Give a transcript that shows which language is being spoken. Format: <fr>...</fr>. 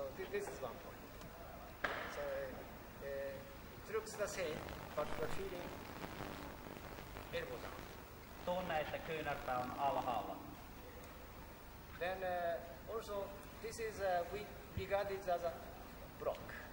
<en>This is one point. So it looks the same, but the feeling elbowsa.</en> <fi>Tunne, että kyynärpää on alhaalla.</fi> <en>Then also this is we regard it as a block.</en>